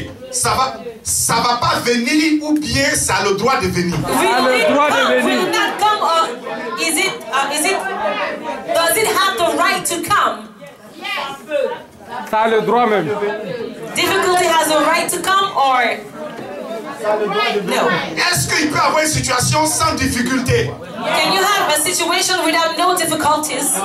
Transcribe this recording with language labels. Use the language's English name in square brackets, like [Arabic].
[French] Ça va pas venir ou bien ça a le droit de venir. Le droit de venir. [English] Will not come or is it does it have the right to come? Yes. [French] Ça a le droit même. [English] Difficulty has a right to come or no. [French] Est-ce qu'il peut avoir une situation sans difficulté? [English] Can you have a situation without no difficulties?